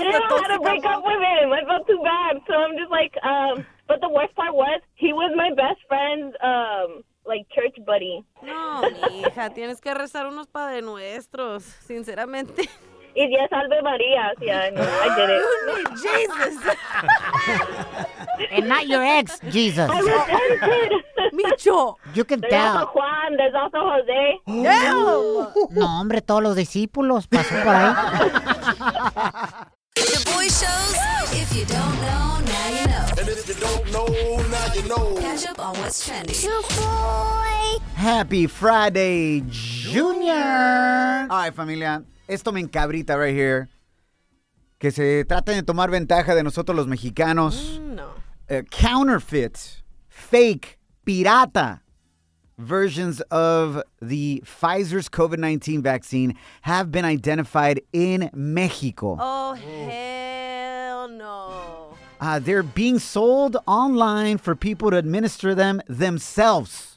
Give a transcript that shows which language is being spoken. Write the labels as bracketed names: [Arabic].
[English] I didn't know how to break up with him. I felt too bad. So I'm just like, but the worst part was he was my best friend's, church buddy. [Spanish] No, mija, tienes que rezar unos padre nuestros, sinceramente. Y Dios salve Marías. [English] Yeah, I did it. You need Jesus. And not your ex, Jesus. I repented. Micho. You can there's tell. There's also Juan. There's also Jose. [Spanish] No, hombre, todos los discípulos pasó por ahí. [English] The boy shows. If you don't know, now you know. And if you don't know, now you know. Catch up on what's trending. Your boy. Happy Friday, Junior. All right, familia. [Spanish] Esto me encabrita [English] right here. [Spanish] Que se traten de tomar ventaja de nosotros los mexicanos. No. [English] Counterfeit, fake, pirata versions of the Pfizer's COVID-19 vaccine have been identified in Mexico. Oh, hell no. They're being sold online for people to administer them themselves.